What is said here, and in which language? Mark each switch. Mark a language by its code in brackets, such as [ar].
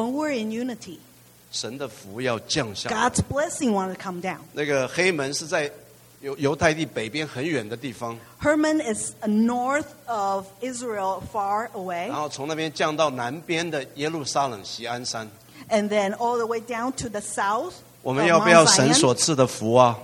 [en] When we're in unity. [zh] 神的福要降下。 [en] God's blessing wants to come down. [zh] 那个黑门是在犹太地北边很远的地方。 [en] Hermon is north of Israel, far away. [zh] 然后从那边降到南边的耶路撒冷锡安山。 [en] And then all the way down to the south. [zh] 我们要不要神所赐的福啊